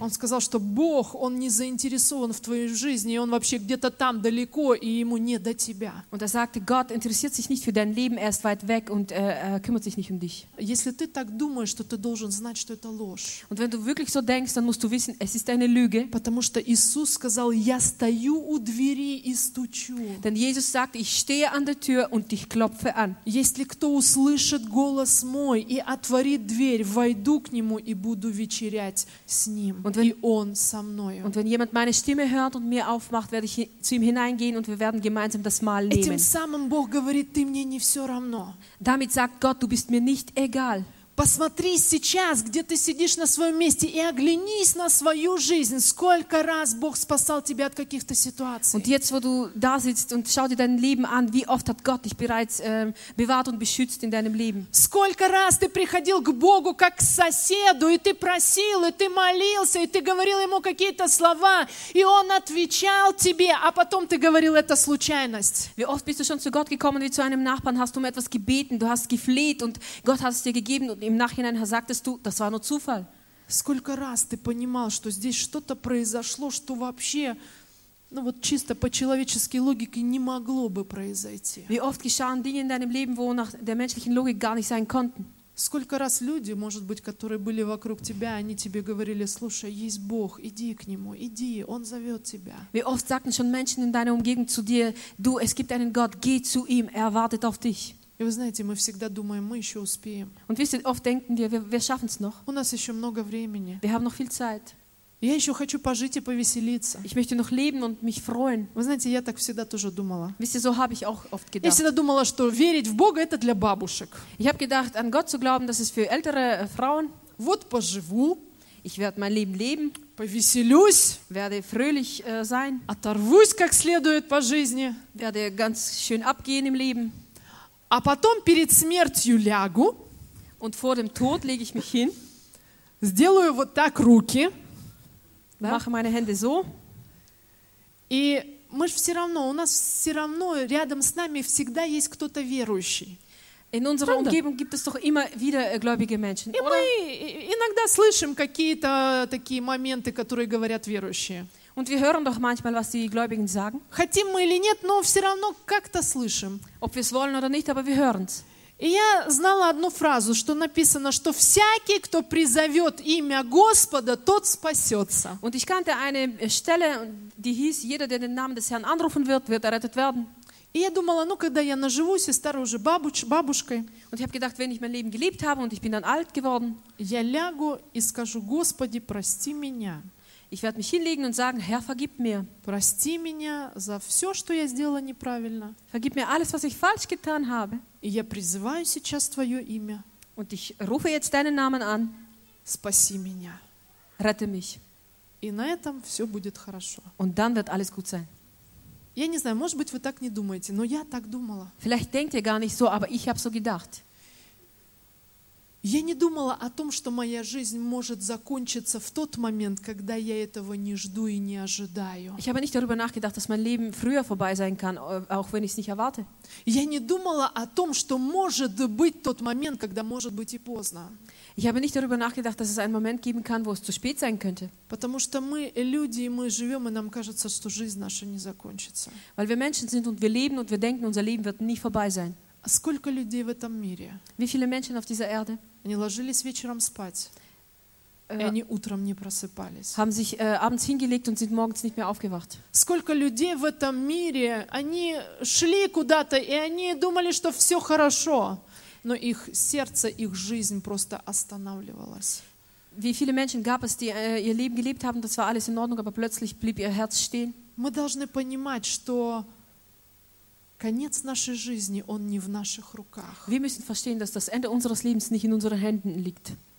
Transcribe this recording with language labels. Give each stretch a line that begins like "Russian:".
Russian: Он сказал, что Бог, он не заинтересован в твоей жизни, и он вообще где-то там далеко, и ему не до тебя.
German: Und sagte, Gott interessiert sich nicht für dein Leben, er ist weit weg und kümmert sich nicht um dich.
Russian: Если ты так думаешь, то ты должен знать, что это ложь.
German: Und wenn du wirklich so denkst, dann musst du wissen, es ist eine Lüge.
Russian: Потому что Иисус сказал, я стою у двери и стучу.
German: Denn Jesus sagt, ich stehe an der Tür und ich klopfe an.
Russian: Если кто услышит голос мой и отворит дверь, войду к нему и буду вечерять с ним, и он со мною.
German: Und wenn jemand meine Stimme hört und mir aufmacht, werde ich zu ihm hineingehen und wir werden gemeinsam das Mahl nehmen.
Russian: Этим самым Бог говорит, ты мне не все равно.
German: Damit sagt Gott, du bist mir nicht egal.
Russian: Посмотри сейчас, где ты сидишь на своем месте, и оглянись на свою жизнь, сколько раз Бог спасал тебя от каких-то ситуаций.
German: Und jetzt, wo du da sitzt und schau dir dein Leben an, wie oft hat Gott dich bereits bewahrt und beschützt in deinem Leben?
Russian: Сколько раз ты приходил к Богу как к соседу, и ты просил, и ты молился, и ты говорил ему какие-то слова, и он отвечал тебе, а потом ты говорил, это случайность.
German: Wie oft bist du schon zu Gott gekommen, wie zu einem Nachbarn, hast du um etwas gebeten, du hast gefleht und Gott hat es dir gegeben. Und im Nachhinein sagtest du, das war nur Zufall.
Russian: Сколько раз ты понимал, что здесь что-то произошло, что вообще, ну вот чисто по человеческой логике не могло бы произойти?
German: Wie oft geschahen Dinge in deinem Leben, wo nach der menschlichen Logik gar nicht sein konnten?
Russian: Сколько раз люди, может быть, которые были вокруг тебя, они тебе говорили, слушай, есть Бог, иди к Нему, иди, Он зовет тебя.
German: Wie oft sagten schon Menschen in deiner Umgebung zu dir, du, es gibt einen Gott, geh zu ihm, er wartet auf dich.
Russian: И вы знаете, мы всегда думаем, мы еще успеем.
German: Und wisst ihr, oft denken wir schaffen es noch.
Russian: У нас еще много времени.
German: Wir haben noch viel Zeit.
Russian: Я еще хочу пожить и повеселиться.
German: Ich möchte noch leben und mich freuen.
Russian: Вы знаете, я так всегда тоже думала.
German: Wisst ihr, so habe ich auch oft gedacht.
Russian: Я всегда думала, что верить в Бога это для бабушек.
German: Ich habe gedacht, an Gott zu glauben, das ist für ältere Frauen.
Russian: Вот поживу.
German: Ich werde mein Leben leben.
Russian: Повеселюсь.
German: Werde fröhlich sein.
Russian: Оторвусь как следует по жизни.
German: Werde ganz schön abgehen im Leben.
Russian: А потом перед смертью лягу.
German: Und vor dem Tod lege ich mich hin.
Russian: Сделаю вот так руки. Да?
German: Mache meine Hände so.
Russian: И мы же все равно, у нас все равно рядом с нами всегда есть кто-то верующий.
German: In unserer Umgebung gibt es doch immer wieder gläubige Menschen.
Russian: И мы иногда слышим какие-то такие моменты, которые говорят верующие.
German: Und wir hören doch manchmal, was die Gläubigen sagen.
Russian: Хотим мы или нет, но все равно как-то слышим.
German: Ob wir es wollen oder nicht, aber wir hören's.
Russian: И я знала одну фразу, что написано, что всякий, кто призовет имя Господа, тот спасется.
German: Und ich kannte eine Stelle, die hieß, jeder, der den Namen des Herrn anrufen wird, wird errettet werden.
Russian: И я думала, ну когда я наживусь и стару уже бабушкой.
German: Und ich habe gedacht, wenn ich mein Leben gelebt habe und ich bin dann alt geworden.
Russian: Я лягу и скажу, Господи, прости меня.
German: Ich werde mich hinlegen und sagen, Herr, vergib mir.
Russian: Прости меня за все, что я сделала неправильно.
German: Vergib mir alles, was ich falsch getan habe.
Russian: И я призываю сейчас твое имя.
German: Und ich rufe jetzt deinen Namen an.
Russian: Спаси меня.
German: Rette mich.
Russian: И на этом все будет хорошо.
German: Und dann wird alles gut sein.
Russian: Я не знаю, может быть, вы так не думаете, но я так думала.
German: Vielleicht denkt ihr gar nicht so, aber ich habe so gedacht.
Russian: Я не думала о том, что моя жизнь может закончиться в тот момент, когда я этого не жду и не ожидаю.
German: Ich habe nicht darüber nachgedacht, dass mein Leben früher vorbei sein kann, auch wenn ich es nicht erwarte.
Russian: Я не думала о том, что может быть тот момент, когда может быть и поздно.
German: Ich habe nicht darüber nachgedacht, dass es einen Moment geben kann, wo es zu spät sein könnte.
Russian: Потому что мы люди, мы живем, и нам кажется, что жизнь наша не закончится.
German: Weil wir Menschen sind und wir leben und wir denken, unser Leben wird nie vorbei sein.
Russian: Сколько людей в этом мире?
German: Wie viele Menschen auf dieser Erde?
Russian: Они ложились вечером спать. они утром не просыпались.
German: Haben sich abends hingelegt und sind morgens nicht mehr aufgewacht.
Russian: Сколько людей в этом мире, они шли куда-то и они думали, что все хорошо, но их сердце, их жизнь просто останавливалась.
German: Wie viele Menschen gab es, die ihr Leben gelebt haben, das war alles in Ordnung, aber plötzlich blieb ihr Herz stehen.
Russian: Мы должны понимать, что конец нашей жизни, он не в наших руках.
German: Wir müssen verstehen, dass das Ende unseres Lebens nicht in unseren Händen liegt.